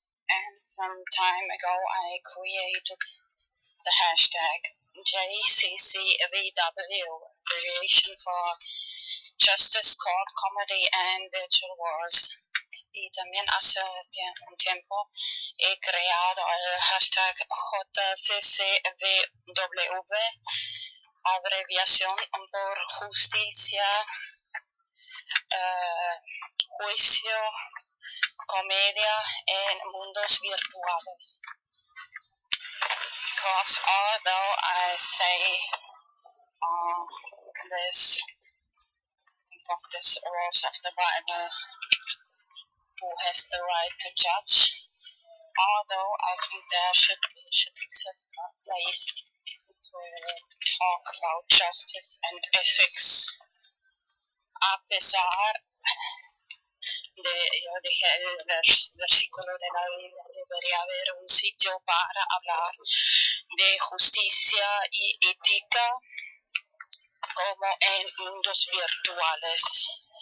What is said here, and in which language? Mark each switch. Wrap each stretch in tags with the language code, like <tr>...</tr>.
<en>And some time ago I created the hashtag JCCVW, Abbreviation for Justice, Court, Comedy and Virtual Wars.</en> <es>Y también hace un tiempo he creado el hashtag JCCVW, abreviación por justicia, juicio, comedia en mundos virtuales.</es> <en>Because although I say this, think of this verse of the Bible, who has the right to judge, although I think there should exist a place to talk about justice and ethics.</en> <es>A pesar de, yo dije el versículo de la Biblia, debería haber un sitio para hablar de justicia y ética como en mundos virtuales.</es>